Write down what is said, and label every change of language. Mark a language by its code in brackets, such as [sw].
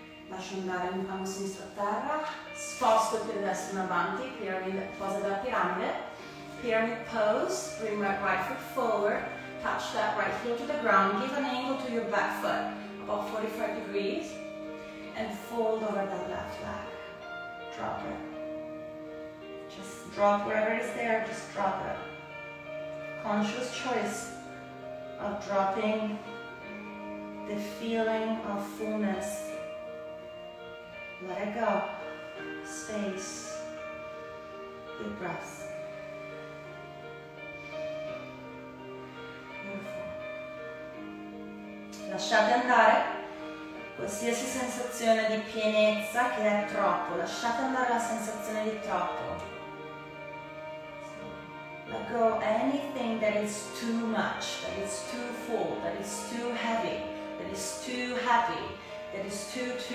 [it] Lascio andare un palmo sinistro a terra, sposto il piede destro in avanti, pyramid, posa della piramide. [en] Pyramid pose, bring my right foot forward, touch that right heel to the ground, give an angle to your back foot, about 45 degrees, and fold over that left leg. Drop it. Just drop wherever is there, just drop it. Conscious choice of dropping the feeling of fullness. Let it go. Space. Deep breaths. Beautiful. [it] Lasciate andare qualsiasi sensazione di pienezza che è troppo. Lasciate andare la sensazione di troppo. [en] Let go anything that is too much, that is too full, that is too heavy, that is too happy, that is too.